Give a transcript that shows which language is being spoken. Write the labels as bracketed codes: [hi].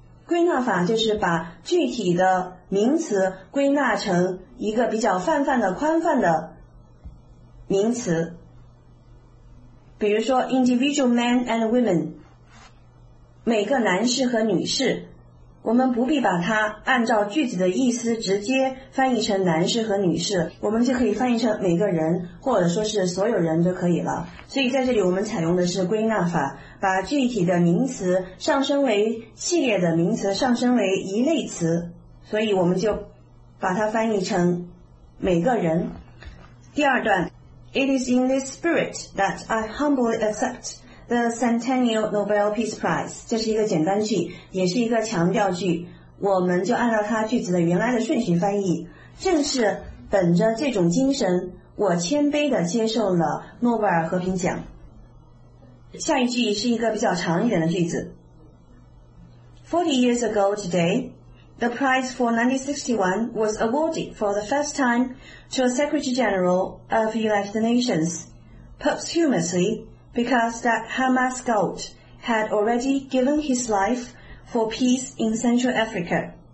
[zh] 归纳法就是把具体的名词归纳成一个比较泛泛的宽泛的名词，比如说 [en] individual men and women， [zh] 每个男士和女士，我们不必把它按照句子的意思直接翻译成男士和女士，我们就可以翻译成每个人或者说是所有人就可以了。所以在这里我们采用的是归纳法，把具体的名词上升为系列的名词，上升为一类词，所以我们就把它翻译成每个人。第二段， [en] It is in this spirit that I humbly accept the Centennial Nobel Peace Prize. [zh] 这是一个简单句，也是一个强调句，我们就按照它句子的原来的顺序翻译。正是本着这种精神，我谦卑地接受了诺贝尔和平奖。下一句是一个比较长一点的句子。 [en] 40 years ago today, the prize for 1961 was awarded for the first timeTo a Secretary General of the United Nations, posthumously, because that Hamas goat had already given his life for peace in Central Africa.